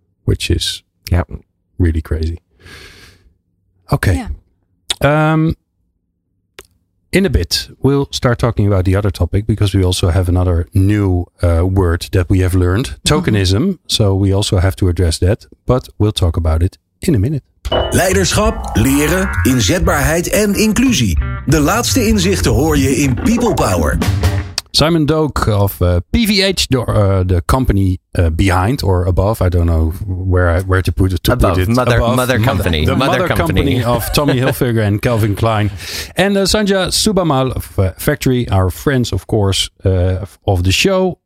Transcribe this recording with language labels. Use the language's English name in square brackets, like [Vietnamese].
[English] Which is really crazy. Okay. Yeah. In a bit, we'll start talking about the other topic because we also have another new word that we have learned, tokenism. Mm-hmm. So we also have to address that, but we'll talk about it in a minute. [Dutch] Leiderschap, leren, inzetbaarheid en inclusie. De laatste inzichten hoor je in People Power. [English] Simon Doak of PVH, the company behind or above, I don't know where to put it. Mother company. The mother company of Tommy Hilfiger and Calvin Klein. And Sanja Subamal of Factory, our friends, of course, of the show.